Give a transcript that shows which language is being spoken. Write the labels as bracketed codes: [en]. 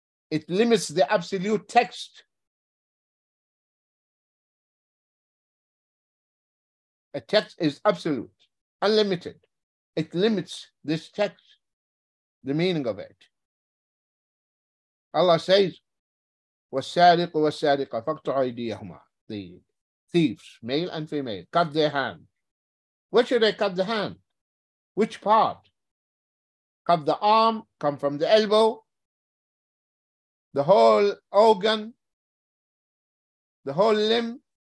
[en] It limits the absolute text. A text is absolute, unlimited. It limits this text, the meaning of it. [ar] Allah says, والسارق والسارقة فاقطعوا أيديهما. [en] The thieves, male and female, cut their hand. Where should they cut the hand? Which part? Cut the arm, come from the elbow, the whole organ, the whole limb.